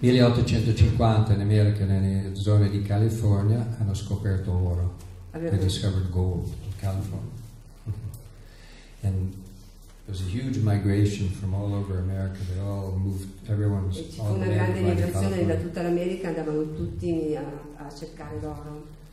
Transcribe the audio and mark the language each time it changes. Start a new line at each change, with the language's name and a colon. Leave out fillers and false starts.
Italian: 1850 in America, nelle zone di California, hanno scoperto oro.
English: They discovered gold in California. And there was a huge migration from all over America. They all moved. Everyone was.
Italian: E ci fu una grande migrazione da tutta l'America, andavano tutti a cercare l'oro.